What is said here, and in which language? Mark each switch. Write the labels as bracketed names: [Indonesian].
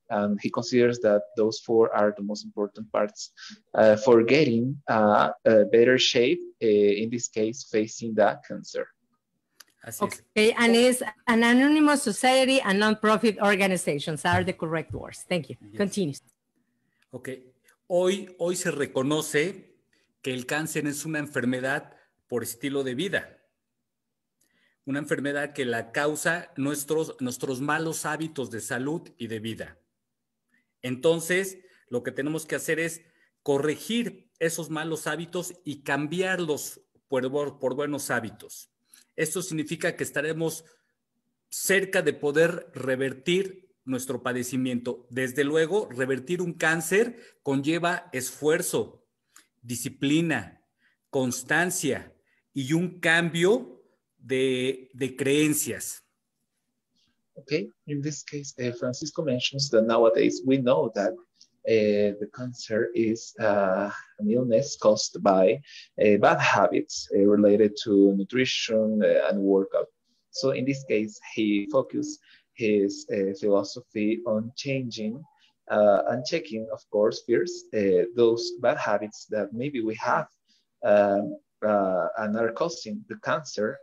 [English] And he considers that those 4 are the most important parts for getting a better shape, in this case, facing the cancer. [Spanish] Así okay, es. [English] And it's an anonymous society and non-profit organizations are the correct words. Thank you. Yes. Continue. Okay. [Spanish] Hoy se reconoce que el cáncer es una enfermedad por estilo de vida. Una enfermedad que la causa nuestros malos hábitos de salud y de vida. Entonces, lo que tenemos que hacer es corregir esos malos hábitos y cambiarlos por buenos hábitos. Esto significa que estaremos cerca de poder revertir nuestro padecimiento. Desde luego, revertir un cáncer conlleva esfuerzo, disciplina, constancia y un cambio de creencias. [English] Okay, in this case, Francisco mentions that nowadays we know that the cancer is an illness caused by bad habits related to nutrition and workout. So in this case, he focused his philosophy on changing and checking, of course, first, those bad habits that maybe we have and are causing the cancer.